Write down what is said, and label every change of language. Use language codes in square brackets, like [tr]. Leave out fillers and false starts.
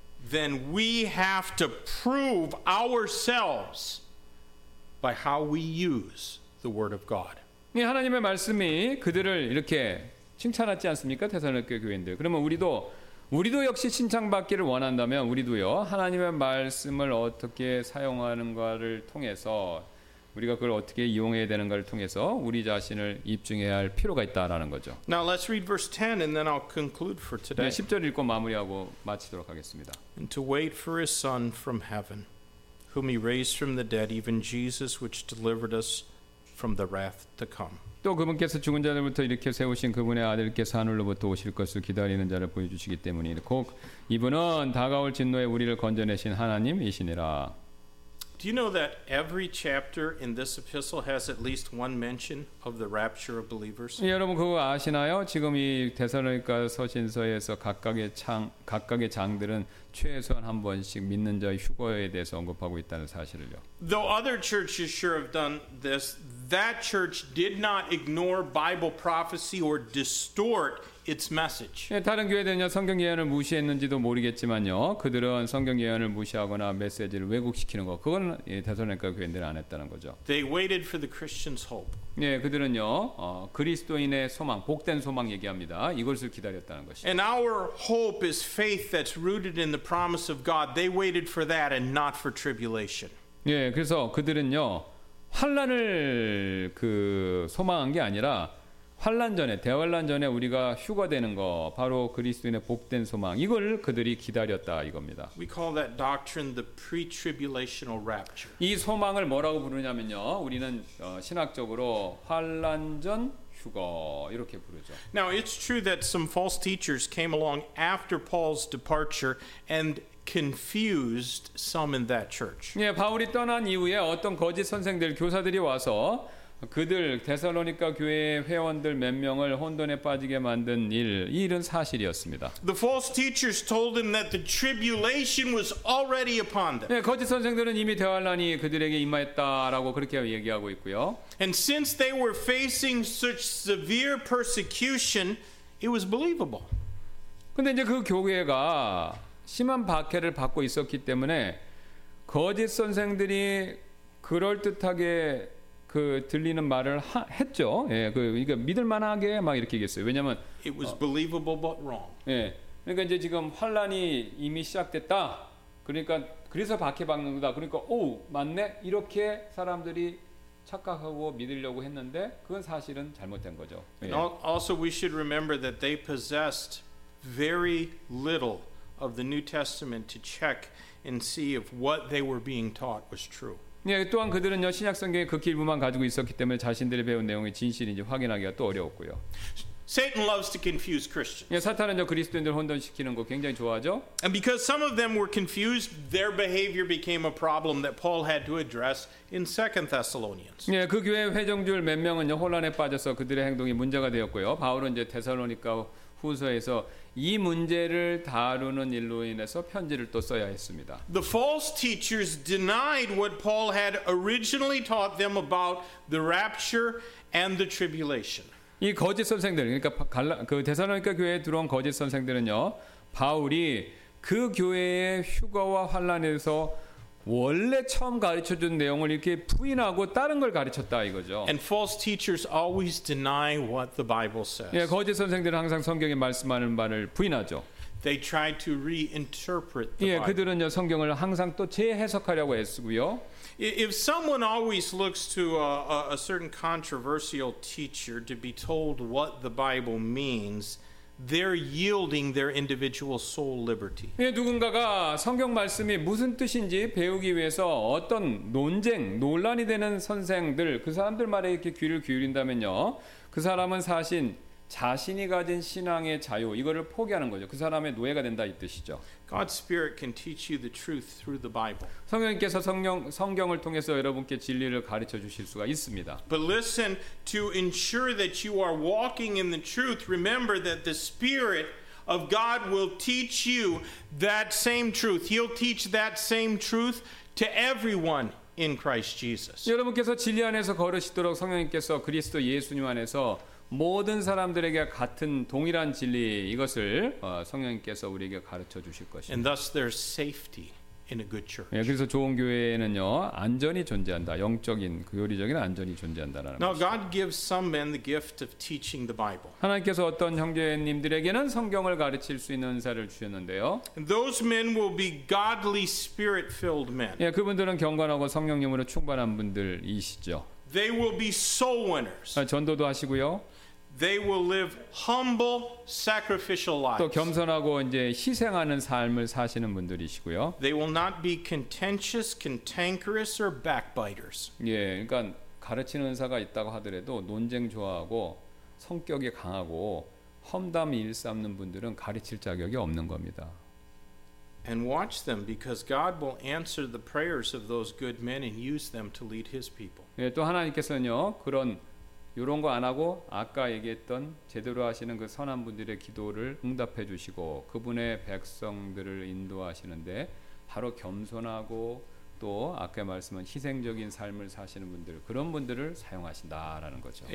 [en] Then we have to prove ourselves by how we use the word of God. [ko] 네, 하나님의 말씀이 그들을 이렇게 칭찬하지 않습니까? 데살로니가 교인들. 그러면 우리도 역시 칭찬받기를 원한다면 우리도요. 하나님의 말씀을 어떻게 사용하는가를 통해서 우리가 그걸 어떻게 이용해야 되는가를 통해서 우리 자신을 입증해야 할 필요가 있다라는 거죠. [en] Now let's read verse 10 and then I'll conclude for today. [ko] 네, 10절 읽고 마무리하고 마치도록 하겠습니다. [en] And to wait for his son from heaven, whom he raised from the dead, even Jesus, which delivered us from the wrath to come. [ko] 또 그분께서 죽은 자들부터 일으켜 세우신 그분의 아들께서 하늘로부터 오실 것을 기다리는 자를 보여주시기 때문에 곧 이분은 다가올 진노에 우리를 건져내신 하나님이시니라. [en] Do you know that every chapter in this epistle has at least one mention of the rapture of believers? [ko] 예, 여러분 그거 아시나요? 지금 이 데살로니가 서신서에서 각각의 장들은 최소한 한 번씩 믿는 자의 휴거에 대해서 언급하고 있다는 사실을요. [en] Though other churches sure have done this, that church did not ignore Bible prophecy or distort its message. [ko] 예, 다른 교회들은요 성경 예언을 무시했는지도 모르겠지만요 그들은 성경 예언을 무시하거나 메시지를 왜곡시키는 거 그건 예, 데살로니가 교회들은 안 했다는 거죠. [en] They waited for the Christian's hope. [ko] 예, 그들은요 그리스도인의 소망, 복된 소망 얘기합니다. 이것을 기다렸다는 것이. [en] And our hope is faith that's rooted in the promise of God. They waited for that and not for tribulation. [ko] 예, 그래서 그들은요 환난을 그 소망한 게 아니라. 환난 전에 대환난 전에 우리가 휴가 되는 거 바로 그리스도인의 복된 소망 이걸 그들이 기다렸다 이겁니다. [en] We call that doctrine the pre-tribulational rapture. [ko] 이 소망을 뭐라고 부르냐면요. 우리는 신학적으로 환난 전 휴거 이렇게 부르죠. [en] Now it's true that some false teachers came along after Paul's departure and confused some in that church. [ko] 예, 바울이 떠난 이후에 어떤 거짓 선생들 교사들이 와서 그들 데살로니가 교회 회원들 몇 명을 혼돈에 빠지게 만든 일, 이 일은 사실이었습니다. [en] The false teachers told them that the tribulation was already upon them. [ko] 네, 거짓 선생들은 이미 대환란이 그들에게 임하였다라고 그렇게 얘기하고 있고요. [en] And since they were facing such severe persecution, it was believable. [ko] 근데 이제 그 교회가 심한 박해를 받고 있었기 때문에 거짓 선생들이 그럴듯하게 그 들리는 말을 했죠. 예, 그러니까 믿을 만하게 막 이렇게 얘기했어요. 왜냐면 [en] it was believable but wrong. [ko] 예. 그러니까 이제 지금 환란이 이미 시작됐다. 그러니까 그래서 박해 받는 거다. 그러니까 오, 맞네. 이렇게 사람들이 착각하고 믿으려고 했는데 그건 사실은 잘못된 거죠. 예. [en] Also we should remember that they possessed very little of the New Testament to check and see if what they were being taught was true. [ko] 네, 예, 또한 그들은요 신약성경의 극히 일부만 가지고 있었기 때문에 자신들이 배운 내용이 진실인지 확인하기가 또 어려웠고요. [en] Satan loves to confuse Christians. [ko] 예, 사탄은요 그리스도인들 혼돈시키는 거 굉장히 좋아하죠. [en] And because some of them were confused, their behavior became a problem that Paul had to address in 2 Thessalonians. [ko] 네, 예, 그 교회 회중들 몇 명은요 혼란에 빠져서 그들의 행동이 문제가 되었고요. 바울은 이제 데살로니가 후서에서 이 문제를 다루는 일로 인해서 편지를 또 써야 했습니다. [en] The false teachers denied what Paul had originally taught them about the rapture and the tribulation. [ko] 이 거짓 선생들, 그러니까 그 데살로니가 교회에 들어온 거짓 선생들은요, 바울이 그 교회의 휴거와 환란에서 원래 처음 가르쳐 준 내용을 이렇게 부인하고 다른 걸 가르쳤다 이거죠. [en] And false teachers always deny what the Bible says. [ko] 예, 거짓 선생들은 항상 성경에 말씀하는 말을 부인하죠. [en] They try to reinterpret the Bible. [ko] 예, 그들은요 성경을 항상 또 재해석하려고 애쓰고요. [en] If someone always looks to a certain controversial teacher to be told what the Bible means, they're yielding their individual soul liberty. [ko] 예, 누군가가 성경 말씀이 무슨 뜻인지 배우기 위해서 어떤 논쟁, 논란이 되는 선생들, 그 사람들 말에 이렇게 귀를 기울인다면요. 그 사람은 사실 자신이 가진 신앙의 자유, 이거를 포기하는 거죠. 그 사람의 노예가 된다 이 뜻이죠. [en] God's spirit can teach you the truth through the Bible. [ko] 성령께서 성경을 통해서 여러분께 진리를 가르쳐 주실 수가 있습니다. [en] But listen, to ensure that you are walking in the truth, remember that the spirit of God will teach you that same truth. He'll teach that same truth to everyone in Christ Jesus. [ko] 여러분께서 진리 안에서 걸으시도록 성령께서 그리스도 예수님 안에서 모든 사람들에게 같은 동일한 진리 이것을 성령님께서 우리에게 가르쳐 주실 것입니다. [en] And thus there's safety in a good church. [ko] 예, 그래서 좋은 교회에는요 안전이 존재한다. 영적인 그 요리적인 안전이 존재한다라는 것입니다. [en] Now God gives some men the gift of teaching the Bible. [ko] 하나님께서 어떤 형제님들에게는 성경을 가르칠 수 있는 은사를 주셨는데요. [en] And those men will be godly spirit-filled men. [ko] 예, 그분들은 경건하고 성령님으로 충만한 분들이시죠. [en] They will be soul winners. [ko] 전도도 하시고요. [en] They will live humble, sacrificial lives. [ko] 또 겸손하고 이제 희생하는 삶을 사시는 분들이시고요. [en] They will not be contentious, cantankerous, or backbiters. [ko] 예, 그러니까 가르치는 은사가 있다고 하더라도 논쟁 좋아하고 성격이 강하고 험담 일삼는 분들은 가르칠 자격이 없는 겁니다. [en] And watch them because God will answer the prayers of those good men and use them to lead his people. [ko] 예, 또 하나님께서는요 그런 이런 거 안 하고 아까 얘기했던 제대로 하시는 그 선한 분들의 기도를 응답해 주시고 그분의 백성들을 인도하시는데 바로 겸손하고 또 아까 말씀한 희생적인 삶을 사시는 분들 그런 분들을 사용하신다라는 거죠.